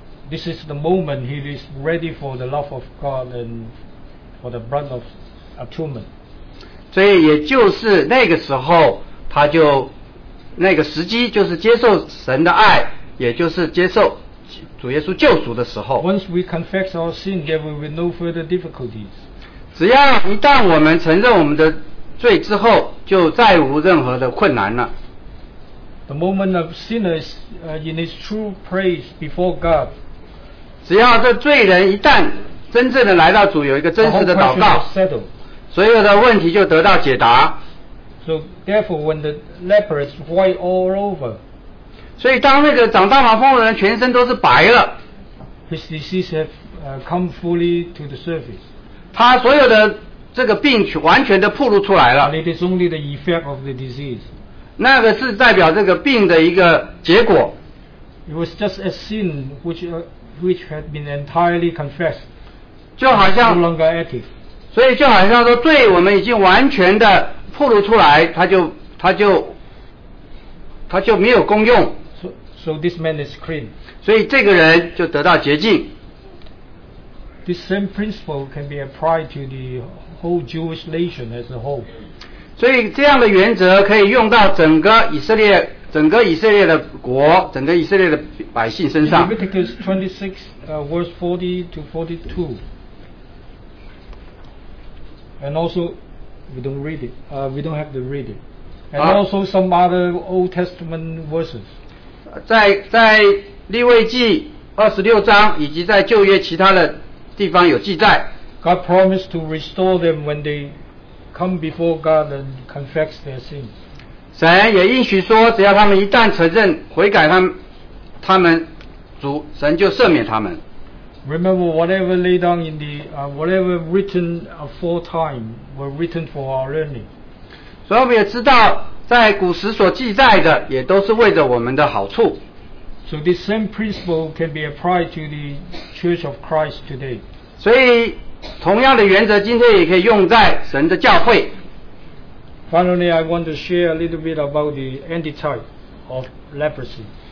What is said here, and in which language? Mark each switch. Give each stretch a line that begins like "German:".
English: This is the moment he is ready for the love of God and for the blood of atonement.
Chinese: 所以也就是那个时候他就那个时机就是接受神的爱也就是接受主耶稣救赎的时候
English: Once we confess our sin, there will be no further difficulties.
Chinese: 只要一旦我们承认我们的罪之后，就再无任何的困难了。
English: The moment of sinners in his true praise before God.
Chinese: 只要这罪人一旦真正的来到主，有一个真实的祷告，所有的问题就得到解答。
English: So therefore, when the leper is white all over,
Chinese: 所以当那个长大麻风的人全身都是白了
English: ，his disease have come fully to the surface.
Chinese: 他所有的这个病完全的暴露出来了。
English: It is only the effect of the disease.
Chinese: 那个是代表这个病的一个结果。
English: It was just a sin which had been entirely confessed.
Chinese: 就好像
English: no longer active.
Chinese: 所以就好像说，罪我们已经完全的暴露出来，他就没有功用。
English: So this man is clean.
Chinese: 所以这个人就得到洁净。
English: This same principle can be applied to the whole Jewish nation as a whole.
Chinese: 所以这样的原则可以用到整个以色列的百姓身上。
English: Leviticus 26, verse 40 to 42. And also, we don't have to read it. And also some other Old Testament verses.
Chinese: 在利未记26章以及在旧约其他的地方有记载。
English: God promised to restore them when they come before God and confess their sins.
Chinese: 神也应许说，只要他们一旦承认悔改，他们主神就赦免他们。
English: Remember whatever laid down in the whatever written aforetime were written for our learning.
Chinese: 所以我们也知道，在古时所记载的也都是为着我们的好处。
English: So this same principle can be applied to the Church of Christ today.
Chinese: 所以同样的原则今天也可以用在神的教会。
English: Finally, I want to share a little bit about the antitype of leprosy.